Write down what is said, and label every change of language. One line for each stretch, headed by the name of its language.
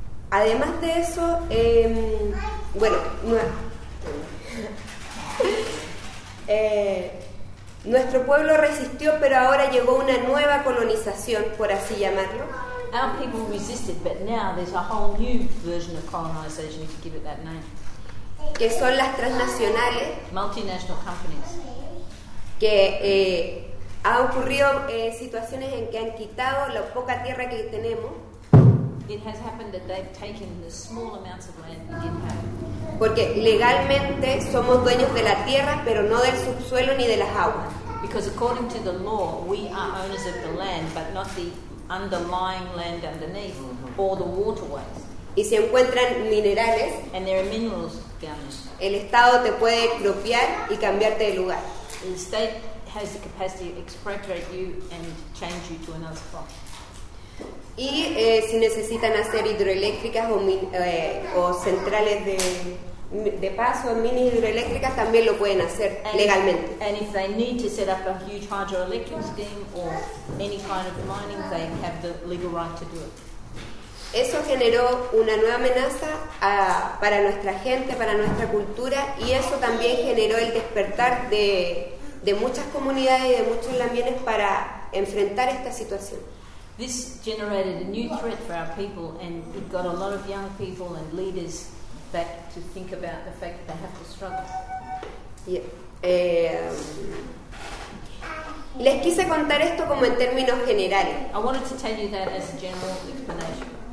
Spanish: Además de eso, nuestro pueblo resistió, pero ahora llegó una nueva colonización, por así llamarlo.
English: Our people resisted, but now there's a whole new version of colonization, if you give it that name.
Spanish: Que son las transnacionales.
English: Multinational companies.
Spanish: Que ha ocurrido situaciones en que han quitado la poca tierra que tenemos.
English: It has happened that they've taken the small amounts of land we did have.
Spanish: Porque legalmente somos dueños de la tierra, pero no del subsuelo ni de las aguas.
English: Because according to the law, we are owners of the land, but not the underlying land underneath, or the waterways.
Spanish: Y si encuentran minerales,
English: and there are minerals down there.
Spanish: El Estado te puede expropiar y cambiarte de lugar.
English: The state has the capacity to expropriate you and change you to another spot.
Spanish: Y si necesitan hacer hidroeléctricas o centrales de paso, mini hidroeléctricas, también lo pueden hacer legalmente.
English: And if they need to set up a huge hydroelectric scheme or any kind of mining, they have the legal right to do it.
Spanish: Eso generó una nueva amenaza para nuestra gente, para nuestra cultura, y eso también generó el despertar de muchas comunidades y de muchos lamienes para enfrentar esta situación.
English: This generated a new threat for our people, and it got a lot of young people and leaders back to think about the fact that they have to struggle. Yeah.
Spanish: Les quise contar esto como en términos generales.
English: I wanted to tell you that as a general explanation.